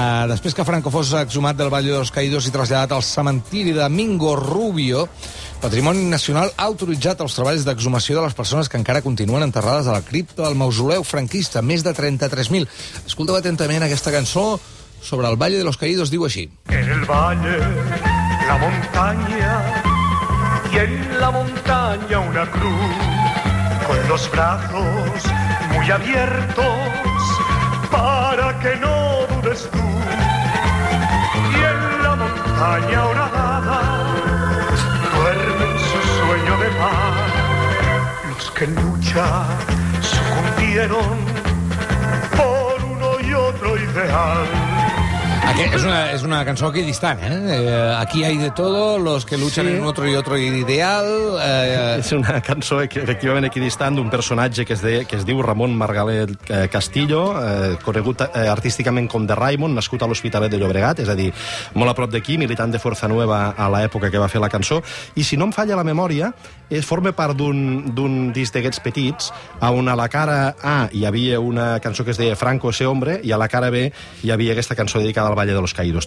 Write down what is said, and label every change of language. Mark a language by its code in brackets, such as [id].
[ca] Després que Franco fos exhumat del Valle de los Caídos i traslladat al cementiri de Domingo Rubio, Patrimoni Nacional ha autoritzat els treballs d'exhumació de les persones que encara continuen enterrades a la cripta del mausoleu franquista, més de 33.000. Escolteu atentament aquesta cançó sobre el Valle de los Caídos, diu així. [es] En el valle, la montaña, y en la montaña una cruz, con los brazos muy abiertos, para que no dudes tú. Y en la montaña horadada, duerme su sueño de paz, los que en lucha sucumbieron por uno y otro ideal. [ca] És una cançó aquí distant, [es] Aquí hay de todo, los que luchan en otro y otro ideal... [ca] És una cançó, efectivament, aquí distant, d'un personatge que es diu Ramon Margalet Castillo, conegut artísticament com The Raymond, nascut a l'Hospitalet de Llobregat, és a dir, molt a prop d'aquí, militant de Força Nueva a l'època que va fer la cançó. I si no em falla la memòria, forma part d'un disc d'aquests petits, on a la cara A hi havia una cançó que es deia Franco ese hombre, i a la cara B hi havia aquesta cançó dedicada del Valle de los Caídos.